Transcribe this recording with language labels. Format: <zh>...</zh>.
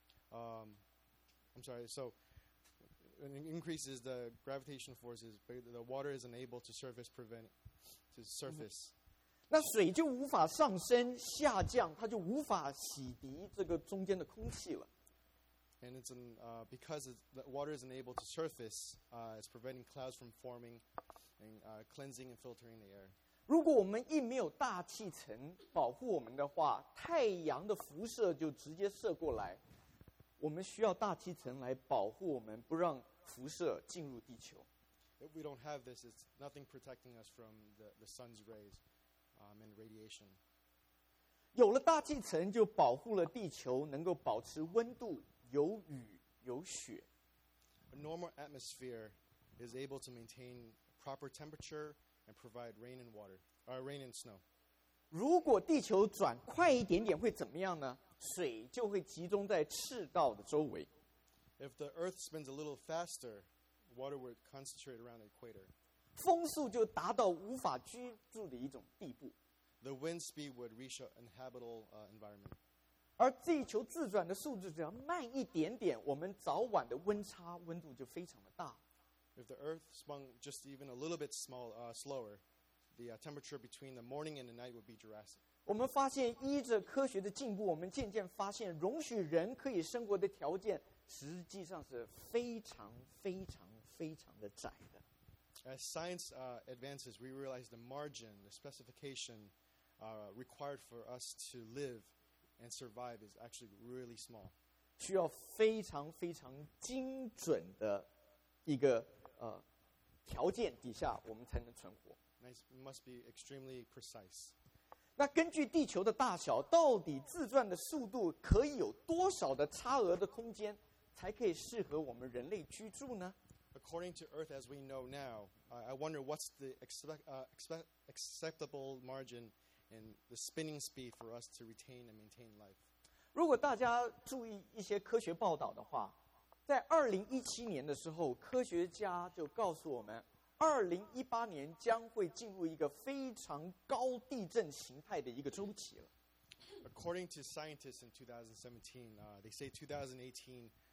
<en>I'm sorry. So it increases the gravitational forces, but the water is unable to surface prevent. To surface.</en> <zh>那水就无法上升下降，它就无法洗涤这个中间的空气了。</zh> <en>And it's because the water is unable to surface, it's preventing clouds from forming and cleansing and filtering the air.</en> <zh>如果我们一没有大气层保护我们的话，太阳的辐射就直接射过来。我们需要大气层来保护我们，不让辐射进入地球。</zh> <en>If we don't have this, it's nothing protecting us from the sun's rays and radiation.</en> <zh>有了大气层就保护了地球能够保持温度，有雨，有雪。</zh> <en>A normal atmosphere is able to maintain proper temperature and provide rain and water, rain and snow.</en> <zh>如果地球转快一点点会怎么样呢？水就会集中在赤道的周围。</zh> <en>If the Earth spins a little faster,Water would concentrate around the equator.</en> <zh>风速就达到无法居住的一种地步。</zh> <en>The wind speed would reach an inhabitable environment.</en> <zh>而地球自转的速度只要慢一点点，我们早晚的温差温度就非常的大。</zh> <en>If the Earth spun just even a little bit slower, the temperature between the morning and the night would be drastic.</en> <zh>我们发现，依着科学的进步，我们渐渐发现，容许人可以生活的条件。实际上是非常非常非常的窄的。</zh> <en>As science advances, we realize the margin, the specification required for us to live and survive is actually really small.</en> <zh>需要非常非常精准的一个条件底下，我们才能存活。</zh> <en>It must be extremely precise.</en> <zh>那根据地球的大小，到底自转的速度可以有多少的差额的空间？才可以适合我们人类居住呢</zh> <en>？According to Earth as we know now, I wonder what's the acceptable margin and the spinning speed for us to retain and maintain life.</en> <zh>如果大家注意一些科学报道的话，在2017年的时候，科学家就告诉我们，2018年将会进入一个非常高地震形态的一个周期了。</zh> <en>According to scientists in 2017, they say 2018.</en>